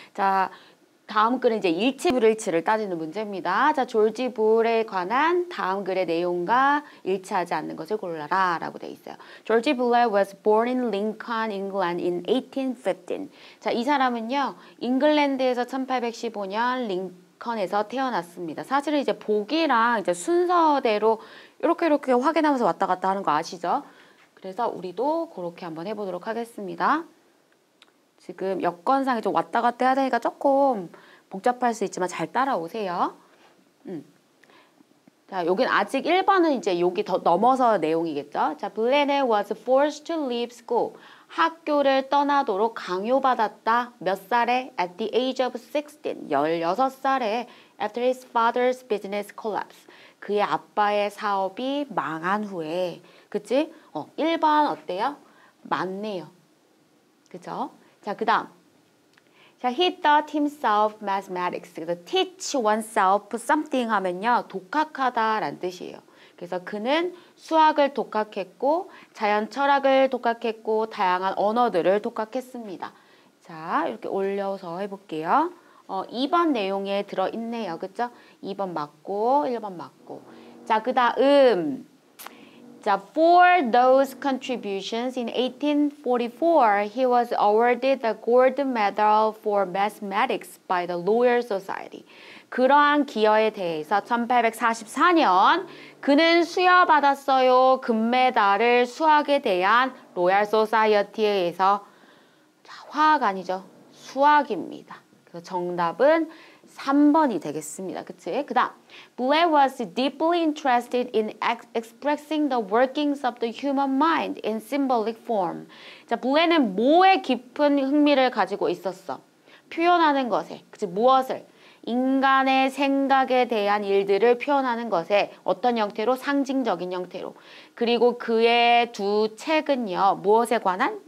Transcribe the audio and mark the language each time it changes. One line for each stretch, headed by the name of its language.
Korean: 자, 다음 글은 이제 일치 불일치를 따지는 문제입니다. 자, 졸지 불에 관한 다음 글의 내용과 일치하지 않는 것을 골라라 라고 되어 있어요.
English: George Blair was born in Lincoln, England in 1815.
Korean: 자, 이 사람은요, 잉글랜드에서 1815년 링컨에서 태어났습니다. 사실은 이제 보기랑 이제 순서대로 이렇게 이렇게 확인하면서 왔다 갔다 하는 거 아시죠? 그래서 우리도 그렇게 한번 해보도록 하겠습니다. 지금 여건상에 좀 왔다 갔다 해야 되니까 조금 복잡할 수 있지만 잘 따라오세요. 자, 여긴 아직 1번은 이제 여기 더 넘어서 내용이겠죠.
English: 자, Blair was forced to leave school.
Korean: 학교를 떠나도록 강요받았다. 몇 살에?
English: At the age of 16.
Korean: 16살에
English: after his father's business collapse.
Korean: 그의 아빠의 사업이 망한 후에. 그치? 1번 어때요? 맞네요. 그쵸? 자, 그 다음.
English: 자, he taught himself mathematics.
Korean: 그래서
English: teach oneself something
Korean: 하면요. 독학하다 라는 뜻이에요. 그래서 그는 수학을 독학했고, 자연 철학을 독학했고, 다양한 언어들을 독학했습니다. 자, 이렇게 올려서 해볼게요. 2번 내용에 들어있네요. 그쵸? 2번 맞고, 1번 맞고. 자, 그 다음.
English: 자, for those contributions in 1844, he was awarded the Gold Medal for Mathematics by the Royal Society.
Korean: 그러한 기여에 대해서 1844년 그는 수여받았어요. 금메달을 수학에 대한 로얄 소사이어티에 의해서 자, 화학 아니죠. 수학입니다. 그래서 정답은 3번이 되겠습니다. 그치? 그 다음,
English: Blair was deeply interested in expressing the workings of the human mind in symbolic form.
Korean: 자, Blair는 뭐에 깊은 흥미를 가지고 있었어? 표현하는 것에, 그치? 무엇을? 인간의 생각에 대한 일들을 표현하는 것에 어떤 형태로? 상징적인 형태로. 그리고 그의 두 책은요, 무엇에 관한?